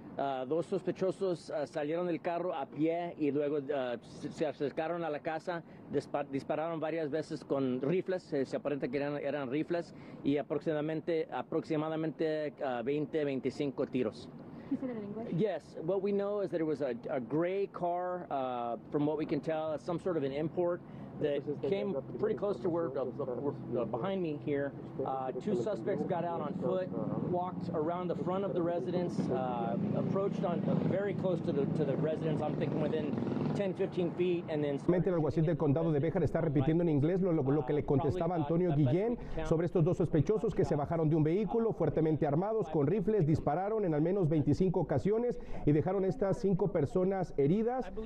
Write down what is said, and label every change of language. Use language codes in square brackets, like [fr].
[es] Dos sospechosos salieron del carro a pie y luego se acercaron a la casa, dispararon varias veces con rifles, se aparenta que eran rifles, y aproximadamente 20, 25 tiros. [en] He said it in English? Yes. What we know is that it was a gray car, from what we can tell, some sort of an import. that came pretty close to where behind me here. Two suspects got out on foot, walked around the front of the residence, approached on very close to the residence. I'm thinking within 10, 15 feet, and then. [es] Mente el alguacil del condado de Béjar está repitiendo en inglés lo que le contestaba Antonio Guillén sobre estos dos sospechosos que se bajaron de un vehículo fuertemente armados con rifles, dispararon en al menos 25 ocasiones y dejaron estas 5 personas heridas.